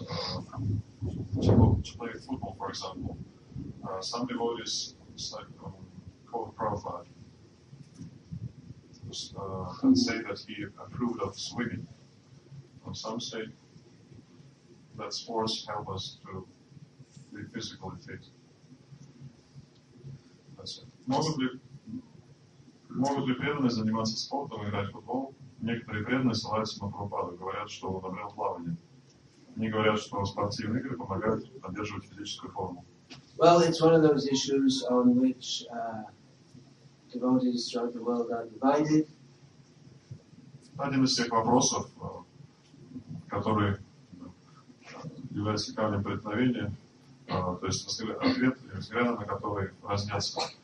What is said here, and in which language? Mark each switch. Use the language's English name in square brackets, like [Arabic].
[English] To play football, for example, some devotees, like called Prabhupada, and say that he approved of swimming. And some say that sports help us to be physically fit. That's it. [Russian] Могут ли преданные заниматься спортом, играть в футбол? Некоторые преданные ссылаются на Прабхупаду, говорят, что одобрял плавание. Они говорят, что спортивные игры помогают поддерживать физическую форму. [English] Well, it's one of those issues on which devotees throughout the world are divided. [Russian] Один из тех вопросов, который является камнем преткновения, то есть ответ, взгляды на который разнятся.